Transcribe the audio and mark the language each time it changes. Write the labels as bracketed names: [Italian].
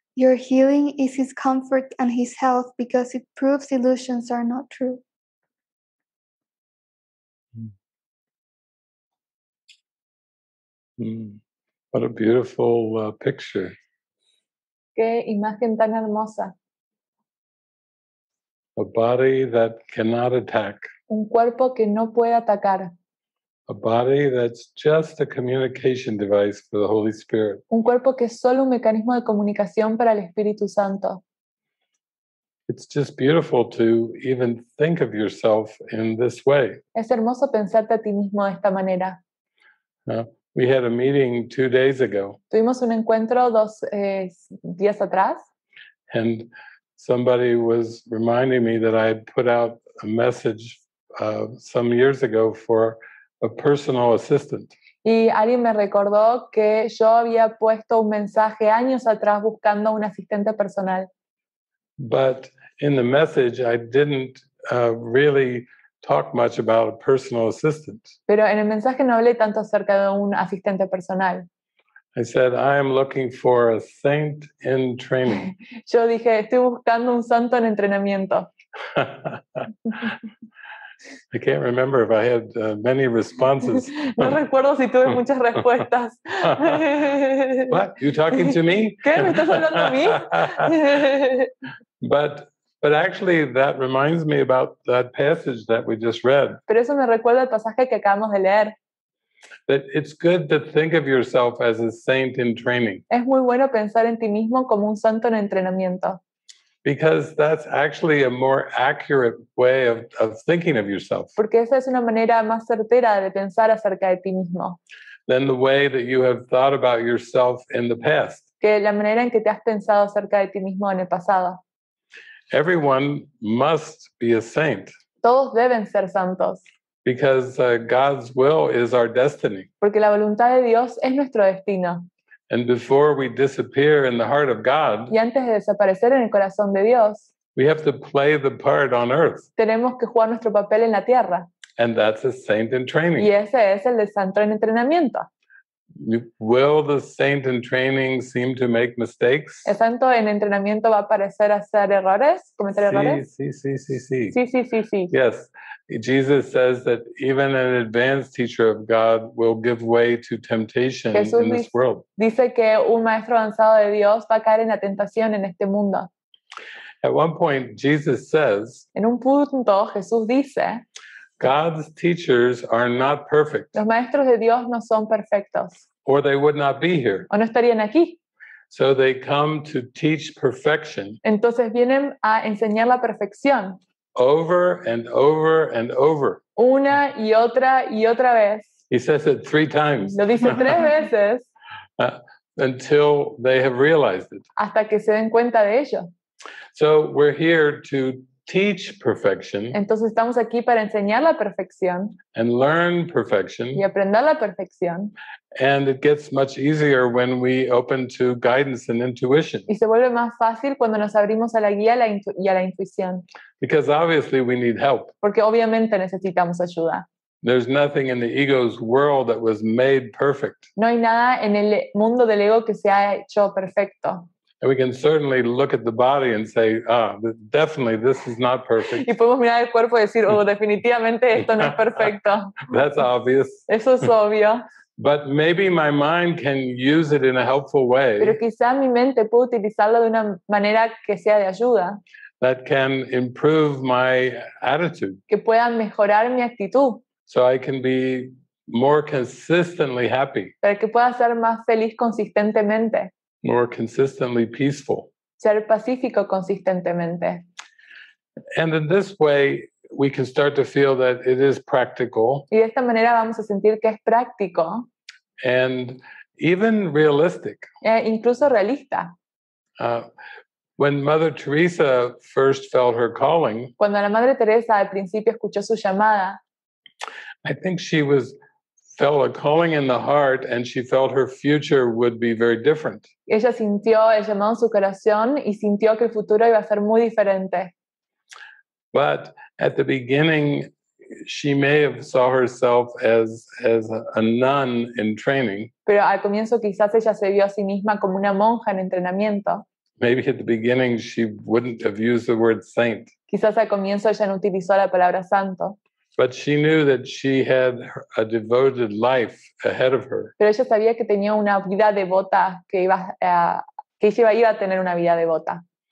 [English] Your healing is his comfort and his health because it proves illusions are not true. What a beautiful picture. [Spanish] Qué imagen tan hermosa. [English] A body that cannot attack. [Spanish] Un cuerpo que no puede atacar. [English] A body that's just a communication device for the Holy Spirit. [Spanish] Un cuerpo que es solo un mecanismo de comunicación para el Espíritu Santo. [English] It's just beautiful to even think of yourself in this way. [Spanish] Es hermoso pensarte a ti mismo de esta manera. [English] We had a meeting 2 days ago. [Spanish] Tuvimos un encuentro dos días atrás. [English] And somebody was reminding me that I had put out a message some years ago for a personal assistant. [Spanish] Y alguien me recordó que yo había puesto un mensaje años atrás buscando un asistente personal. [English] But in the message, I didn't really talk much about a personal assistant. [Spanish] Pero en el mensaje no hablé tanto acerca de un asistente personal. [English] I said, I am looking for a saint in training. [Spanish] Yo dije, estoy buscando un santo en entrenamiento. [English] I can't remember if I had many responses. [Spanish] No recuerdo si tuve muchas respuestas. [English] What? You talking to me? [Spanish] ¿Qué? ¿Me estás hablando a mí? [English] But actually, that reminds me about that passage that we just read. [Spanish] Pero eso me recuerda al pasaje que acabamos de leer. [English] That it's good to think of yourself as a saint in training. [Spanish] Es muy bueno pensar en ti mismo como un santo en entrenamiento. [English] Because that's actually a more accurate way of thinking of yourself. [Spanish] Porque esa es una manera más certera de pensar acerca de ti mismo. [English] Than the way that you have thought about yourself in the past. [Spanish] Que la manera en que te has pensado acerca de ti mismo en el pasado. [English] Everyone must be a saint. [Spanish] Todos deben ser santos. [English] Because God's will is our destiny. [Spanish] Porque la voluntad de Dios es nuestro destino. [English] And before we disappear in the heart of God, [Spanish] y antes de desaparecer en el corazón de Dios, [English] we have to play the part on earth. [Spanish] Tenemos que jugar nuestro papel en la tierra. [English] And that's a saint in training. [Spanish] Y ese es el de santo en entrenamiento. [English] Will the saint in training seem to make mistakes? [Spanish] ¿El santo en entrenamiento va a parecer hacer errores, cometer errores? Sí. [English] Yes. Jesus says that even an advanced teacher of God will give way to temptation in this world. [Spanish] Jesús dice que un maestro avanzado de Dios va a caer en la tentación en este mundo. [English] At one point, Jesus says, [Spanish] en un punto, Jesús dice, [English] God's teachers are not perfect. [Spanish] Los maestros de Dios no son perfectos. [English] Or they would not be here. [Spanish] O no estarían aquí. [English] So they come to teach perfection. [Spanish] Entonces vienen a enseñar la perfección. [English] Over and over and over. [Spanish] Una y otra vez. [English] He says it 3 times. [Spanish] Lo dice tres veces. [English] Until they have realized it. [Spanish] Hasta que se den cuenta de ello. [English] So we're here to teach perfection. [Spanish] Entonces estamos aquí para enseñar la perfección. [English] And learn perfection. [Spanish] Y aprender la perfección. [English] And it gets much easier when we open to guidance and intuition. [Spanish] Y se vuelve más fácil cuando nos abrimos a la guía y a la intuición. [English] Because obviously we need help. [Spanish] Porque obviamente necesitamos ayuda. [English] There's nothing in the ego's world that was made perfect. [Spanish] No hay nada en el mundo del ego que se haya hecho perfecto. [English] And we can certainly look at the body and say, definitely this is not perfect. [Spanish] Y podemos mirar el cuerpo y decir, definitivamente esto no es perfecto. [English] That's obvious. [Spanish] Eso es obvio. [English] But maybe my mind can use it in a helpful way. [Spanish] Pero quizá mi mente pueda utilizarlo de una manera que sea de ayuda. [English] That can improve my attitude. [Spanish] Que pueda mejorar mi actitud. [English] So I can be more consistently happy. [Spanish] Para que pueda ser más feliz consistentemente. [English] More consistently peaceful. [Spanish] Ser pacífico consistentemente. [English] And in this way, we can start to feel that it is practical. [Spanish] Y de esta manera vamos a sentir que es práctico. [English] And even realistic. [Spanish] Incluso realista. [English] When Mother Teresa first felt her calling, [Spanish] cuando la Madre Teresa al principio escuchó su llamada, [English] I think she was felt a calling in the heart, and she felt her future would be very different. [Spanish] Ella sintió el llamado en su corazón y sintió que el futuro iba a ser muy diferente. [English] But at the beginning, she may have saw herself as a nun in training. [Spanish] Pero al comienzo quizás ella se vio a sí misma como una monja en entrenamiento. [English] Maybe at the beginning she wouldn't have used the word saint. [Spanish] Quizás al comienzo ella no utilizó la palabra santo. [English] But she knew that she had a devoted life ahead of her. [Spanish] Pero ella sabía que tenía una vida devota, que iba a tener una vida devota.